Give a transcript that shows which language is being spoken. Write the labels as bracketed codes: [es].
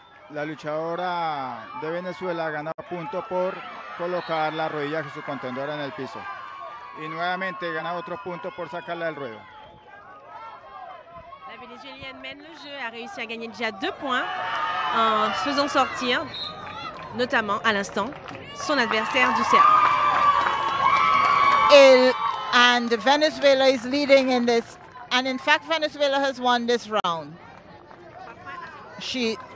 [es] La luchadora de Venezuela gana punto por colocar la rodilla de su contendora en el piso. Y nuevamente gana otro punto por sacarla del ruedo. [fr] La venezuelienne mène le jeu, a réussi à gagner déjà deux points en se faisant sortir, notamment à l'instant, son adversaire du cercle. [en] And Venezuela is leading in this, and in fact, Venezuela has won this round. She